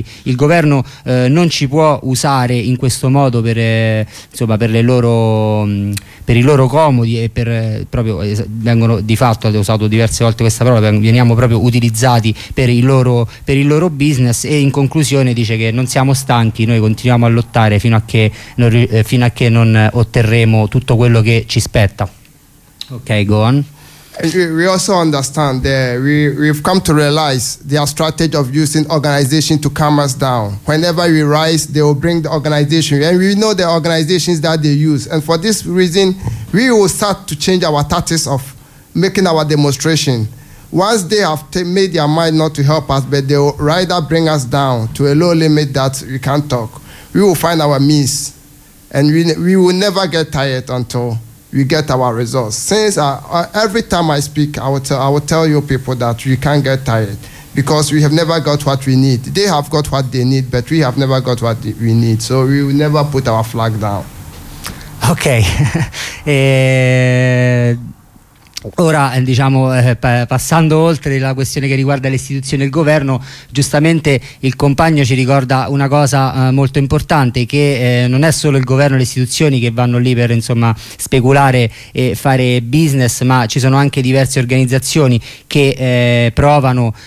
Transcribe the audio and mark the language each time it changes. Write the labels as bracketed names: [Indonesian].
[Italian] Il governo non ci può usare in questo modo per i loro comodi, e per proprio vengono di fatto, ho usato diverse volte questa parola, veniamo proprio utilizzati per il loro business. E in conclusione dice che non siamo stanchi, noi continuiamo a lottare fino a che non otterremo tutto quello che ci spetta. [English] Ok, go on. We also understand that we've come to realize their strategy of using organization to calm us down. Whenever we rise, they will bring the organization. And we know the organizations that they use. And for this reason, we will start to change our tactics of making our demonstration. Once they have made their mind not to help us, but they will rather bring us down to a low limit that we can't talk, we will find our means. And we will never get tired until we get our results. Since every time I speak, I will tell you people that you can't get tired, because we have never got what we need. They have got what they need, but we have never got what we need. So we will never put our flag down. Okay. [Italian] Ora, diciamo, passando oltre la questione che riguarda le istituzioni e il governo, giustamente il compagno ci ricorda una cosa molto importante, che non è solo il governo e le istituzioni che vanno lì per, insomma, speculare e fare business, ma ci sono anche diverse organizzazioni che provano